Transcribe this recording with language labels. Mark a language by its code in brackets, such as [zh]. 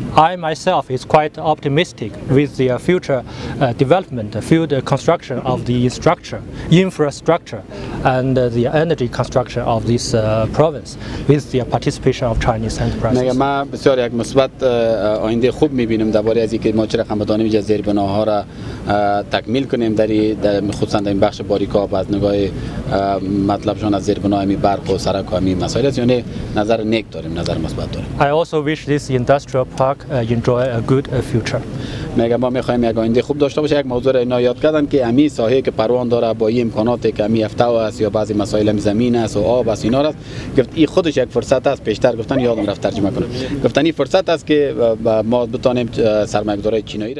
[en] I myself is quite optimistic with the future development, field construction of the infrastructure and the energy construction of this province with the participation of Chinese enterprises. [fa] میگم ما بسیار یک مثبت آینده خوب میبینیم درباره از اینکه ما چه رقم بدانیم اینجا زیربناها را تکمیل کنیم در خصوصا در این بخش باریکاب از نگاه مطلبشان از زیربناهای برق و سرک و همی مسائل است، یعنی نظر نیک داریم، نظر مثبت داریم. [en] I also wish this industrial park enjoy a good future. [fa] میگم ما میخوایم یک آینده خوب داشته باشه. یک موضوع را اینا یاد کردن که همین ساحه که پروان داره با این امکاناتی که همین هفته است یا بعضی مسائل هم زمین است و آب است اینا است، گفت این خودش یک فرصت است. پیشتر گفتن یادم رفت ترجمه کنم، گفتن این فرصت است که ما بتونیم سرمایه‌گذاری چینی را